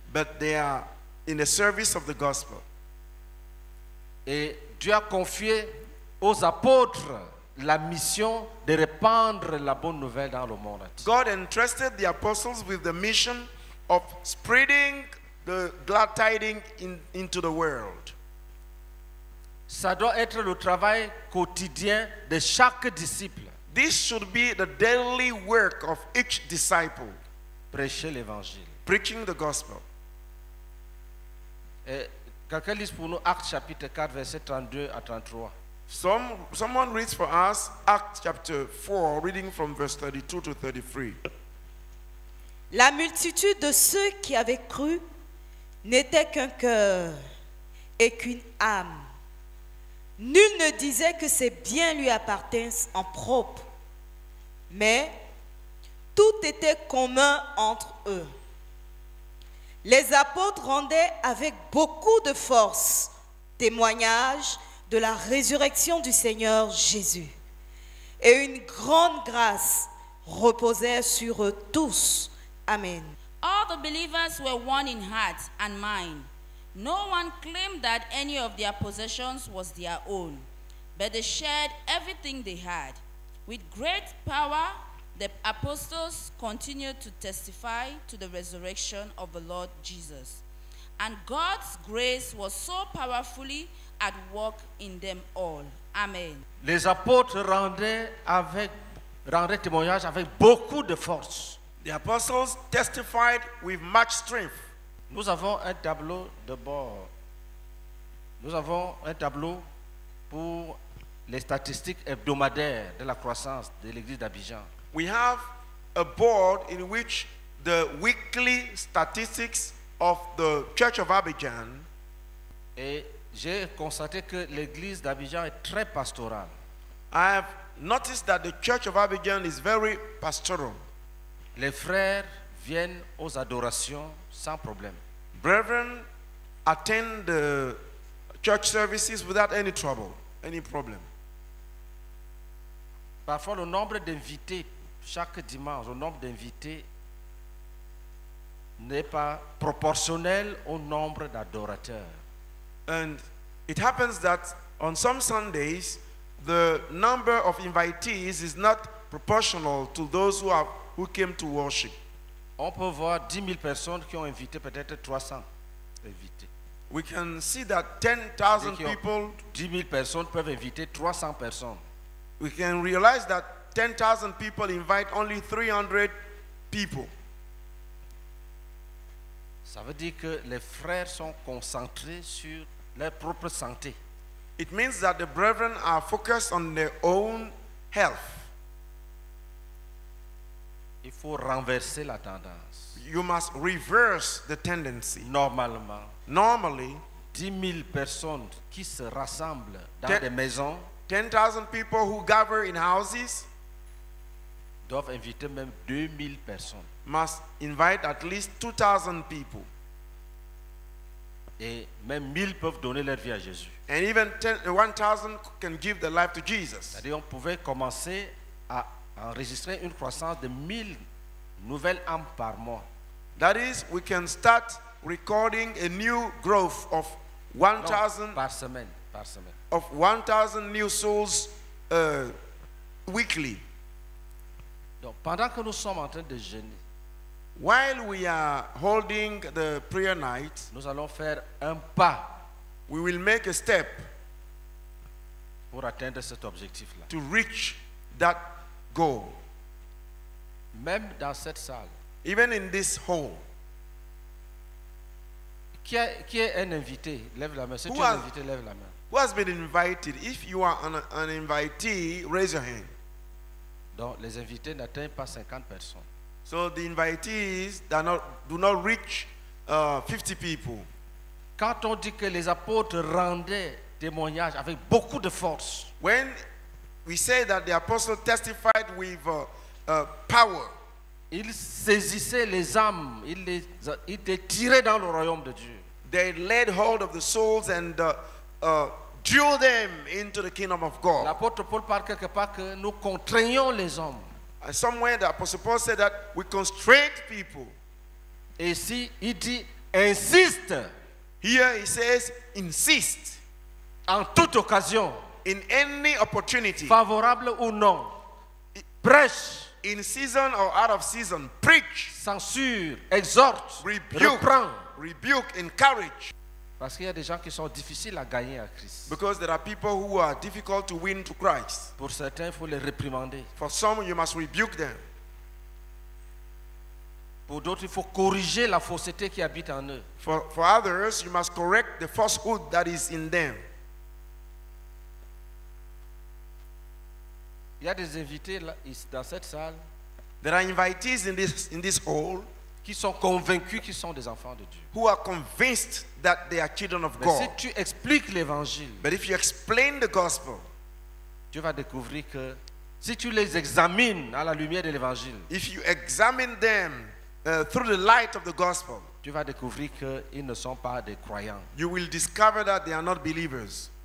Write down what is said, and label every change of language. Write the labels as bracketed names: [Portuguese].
[English] But they are in the service of the gospel. [French] Et Dieu a confié aux apôtres la mission de répandre la bonne nouvelle dans le monde. [English] God entrusted the apostles with the mission of spreading the glad tidings into the world. [French] Ça doit être le travail quotidien de chaque disciple. [English] This should be the daily work of each disciple. [French] Prêcher l'évangile. [English] Preaching the gospel. [French] Et quelqu'un lit pour nous Actes chapitre 4 verset 32 à 33. [English] Someone reads for us Acts chapter 4 reading from verse 32 to 33. [French] La multitude de ceux qui avaient cru n'était qu'un cœur et qu'une âme. Nul ne disait que ses biens lui appartiennent en propre, mais tout était commun entre eux. Les apôtres rendaient avec beaucoup de force témoignage de la résurrection du Seigneur Jésus. Et une grande grâce reposait sur eux tous. Amen. [English] All the believers were one in heart and mind. No one claimed that any of their possessions was their own, but they shared everything they had. With great power, the apostles continued to testify to the resurrection of the Lord Jesus. And God's grace was so powerfully at work in them all. Amen. [French] Les apôtres rendaient témoignage avec beaucoup de force. [English] The apostles testified with much strength. [French] Nous avons un tableau de bord. Nous avons un tableau pour les statistiques hebdomadaires de la croissance de l'église d'Abidjan. [English] We have a board in which the weekly statistics of the Church of Abidjan. [French] Et j'ai constaté que l'église d'Abidjan est très pastorale. [English] I have noticed that the Church of Abidjan is very pastoral. [French] Les frères viennent aux adorations sans problème. [English] Brethren attend the church services without any trouble, any problem. [French] Parfois le nombre d'invités chaque dimanche, le nombre d'invités n'est pas proportionnel au nombre d'adorateurs. [English] And it happens that on some Sundays the number of invitees is not proportional to those who came to worship. [French] On peut voir 10 000 personnes qui ont invité peut-être 300 invités. [English] We can see that 10,000 people. [French] 10 000 personnes peuvent inviter 300 personnes. [English] We can realize that 10,000 people invite only 300 people. [French] Ça veut dire que les frères sont concentrés sur leur propre santé. [English] It means that the brethren are focused on their own health. [French] Il faut renverser la tendance. [English] You must reverse the tendency. [French] Normalement. [English] Normally, [French] 10 000 personnes qui se rassemblent dans des maisons, [English] 10,000 people who gather in houses, [French] doivent inviter même 2 000 personnes. [English] Must invite at least 2,000 people. [French] Et même 1,000 peuvent donner leur vie à Jésus. [English] And even 1,000 can give their life to Jesus. [French] C'est-à-dire on pouvait commencer à enregistrer une croissance de 1,000 nouvelles âmes par mois. [English] That is, we can start recording a new growth of 1,000 [French] par semaine. [English] Of 1,000 new souls weekly. [French] Donc, pendant que nous sommes en train de jeûner, [English] while we are holding the prayer night, [French] nous allons faire un pas. [English] We will make a step [French] pour atteindre cet objectif-là. [English] To reach that goal. [French] Même dans cette salle, [English] even in this hall. Who has been invited? If you are an invitee, raise your hand. [French] Donc, les invités n'atteignent pas 50 personnes. [English] So the invitees do not reach 50 people. [French] Quand on dit que les apôtres rendaient témoignage avec beaucoup de force, [English] when we say that the apostles testified with power, [French] ils saisissaient les âmes, ils les tiraient dans le royaume de Dieu. [English] They laid hold of the souls and drew them into the kingdom of God. [French] L'apôtre Paul parle quelque part que nous contraignons les hommes. [English] Somewhere the apostle Paul said that we constrain people. [French] Et ici, il dit insiste. [English] Here he says insist. [French] En toute occasion. [English] In any opportunity. [French] Favorable ou non. Prêche. [English] In season or out of season, preach. [French] Censure, exhorte, [English] rebuke, [French] reprend. [English] Rebuke, encourage. [French] Parce qu'il y a des gens qui sont difficiles à gagner à Christ. [English] Because there are people who are difficult to win to Christ. [French] Pour certains, il faut les réprimander. [English] For some, you must rebuke them. [French] Pour d'autres, il faut corriger la fausseté qui habite en eux. [English] For others, you must correct the falsehood that is in them. [French] Il y a des invités là, dans cette salle. [English] There are invitees in this hall. [French] Qui sont convaincus qu'ils sont des enfants de Dieu. [English] Who are convinced that they are children of [French] Mais [English] God. [French] Si tu expliques l'évangile, [English] but if you explain the gospel, [French] tu vas découvrir que si tu les examines à la lumière de l'évangile, [English] if you examine them through the light of the gospel, [French] tu vas découvrir que ils ne sont pas des croyants. [English] You will discover that they are not believers.